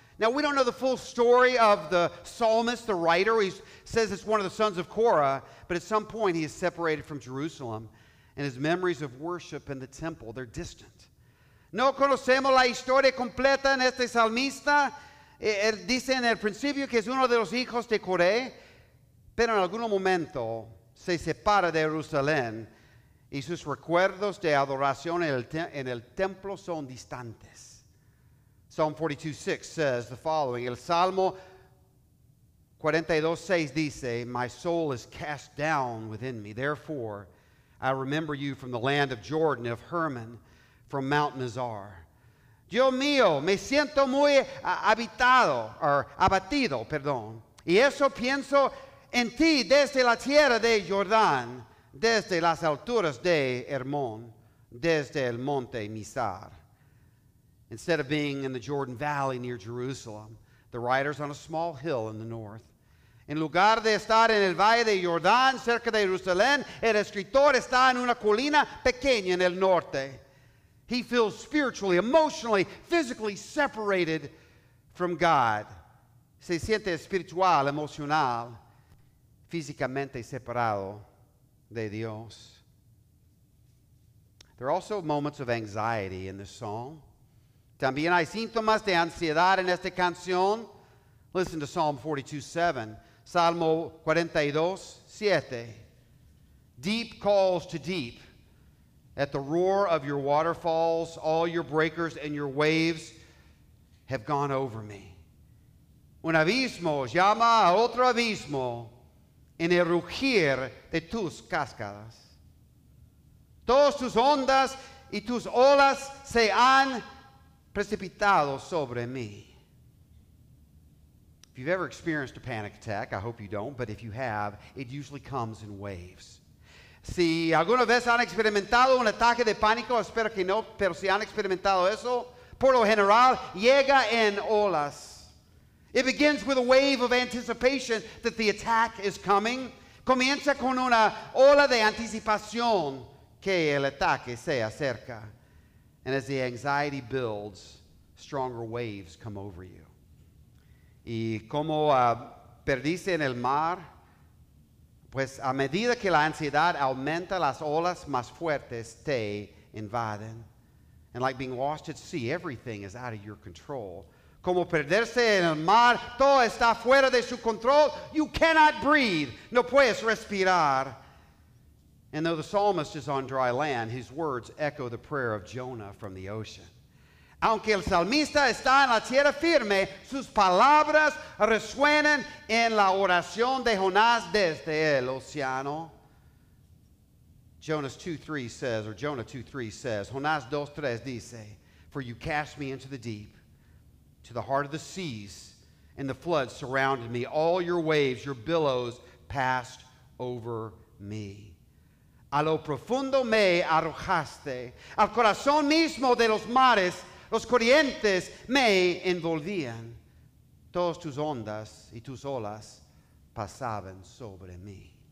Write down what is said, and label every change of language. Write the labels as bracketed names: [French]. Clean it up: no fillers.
[English] Now, we don't know the full story of the psalmist, the writer. He says it's one of the sons of Korah, but at some point he is separated from Jerusalem, and his memories of worship in the temple, they're distant. [Spanish] No conocemos la historia completa en este salmista. Él dice en el principio que es uno de los hijos de Coré, pero en algún momento se separa de Jerusalén y sus recuerdos de adoración en el templo son distantes. [English] Psalm 42:6 says the following. [Spanish] El Salmo 42:6 dice, [English] "My soul is cast down within me. Therefore, I remember you from the land of Jordan, of Hermon, from Mount Mizar." [Spanish] Dios mío, me siento muy habitado, or abatido, perdón. Y eso pienso en ti desde la tierra de Jordán, desde las alturas de Hermón, desde el monte Mizar. [English] Instead of being in the Jordan Valley near Jerusalem, the writer's on a small hill in the north. [Spanish] En lugar de estar en el valle de Jordán, cerca de Jerusalén, el escritor está en una colina pequeña en el norte. [English] He feels spiritually, emotionally, physically separated from God. [Spanish] Se siente espiritual, emocional, físicamente separado de Dios. [English] There are also moments of anxiety in this psalm. [Spanish] También hay síntomas de ansiedad en esta canción. [English] Listen to Psalm 42:7. Salmo 42:7. Deep calls to deep. "At the roar of your waterfalls, all your breakers and your waves have gone over me." [Spanish] Un abismo llama a otro abismo en el rugir de tus cascadas. Todas tus ondas y tus olas se han precipitado sobre mí. [English] If you've ever experienced a panic attack, I hope you don't, but if you have, it usually comes in waves. [Spanish] Si alguna vez han experimentado un ataque de pánico, espero que no, pero si han experimentado eso, por lo general, llega en olas. [English] It begins with a wave of anticipation that the attack is coming. [Spanish] Comienza con una ola de anticipación que el ataque se acerca. [English] And as the anxiety builds, stronger waves come over you. [Spanish] Y como perdiste en el mar, pues a medida que la ansiedad aumenta, las olas más fuertes te invaden. [English] And like being lost at sea, everything is out of your control. [Spanish] Como perderse en el mar, todo está fuera de su control. [English] You cannot breathe. [Spanish] No puedes respirar. [English] And though the psalmist is on dry land, his words echo the prayer of Jonah from the ocean. [Spanish] Aunque el salmista está en la tierra firme, sus palabras resuenan en la oración de Jonás desde el océano. [English] Jonah 2:3 says, [Spanish] Jonás 2:3 dice, [English] "For you cast me into the deep, to the heart of the seas, and the floods surrounded me. All your waves, your billows passed over me." [Spanish] A lo profundo me arrojaste, al corazón mismo de los mares, los corrientes me envolvían. Todas tus ondas y tus olas pasaban sobre mí.